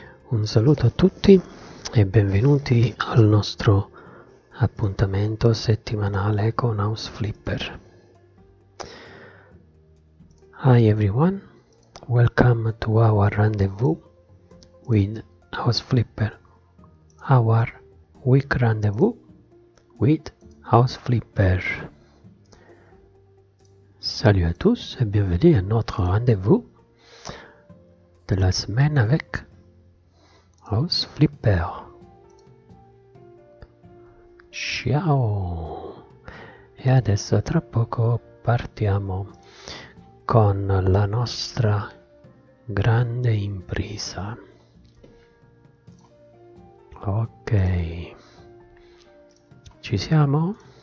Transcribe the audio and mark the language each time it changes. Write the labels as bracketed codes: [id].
[it] Un saluto a tutti e benvenuti al nostro appuntamento settimanale con House Flipper. [en] Hi everyone, welcome to our rendezvous with House Flipper. Our week rendezvous with House Flipper. [fr] Salut à tous et bienvenue à notre rendez-vous de la semaine avec House Flipper. [it] Ciao! E adesso tra poco partiamo con la nostra grande impresa. Ok. Ci siamo?